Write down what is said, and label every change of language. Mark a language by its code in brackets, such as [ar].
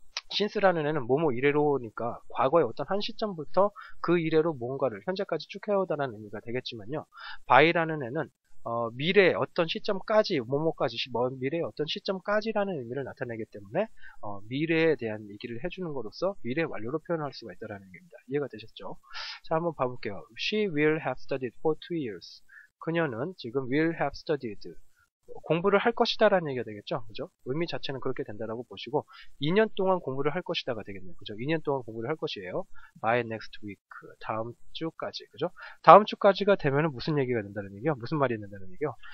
[ko] 신스라는 애는 뭐뭐 이래로니까 과거의 어떤 한 시점부터 그 이래로 뭔가를 현재까지 쭉 해오다라는 의미가 되겠지만요. 바이라는 애는 미래의 어떤 시점까지 뭐뭐까지 먼 미래의 어떤 시점까지라는 의미를 나타내기 때문에 미래에 대한 얘기를 해주는 것으로서 미래 완료로 표현할 수가 있다라는 겁니다. 이해가 되셨죠? 자 한번 봐볼게요. [en] She will have studied for 2 years. [ko] 그녀는 지금 [en] will have studied [ko] 공부를 할 것이다라는 얘기가 되겠죠? 그죠? 의미 자체는 그렇게 된다라고 보시고 2년 동안 공부를 할 것이다가 되겠네요. 그죠? 2년 동안 공부를 할 것이에요. [en] By next week. [ko] 다음 주까지. 그죠? 다음 주까지가 되면은 무슨 얘기가 된다는 얘기요? 무슨 말이 된다는 얘기요?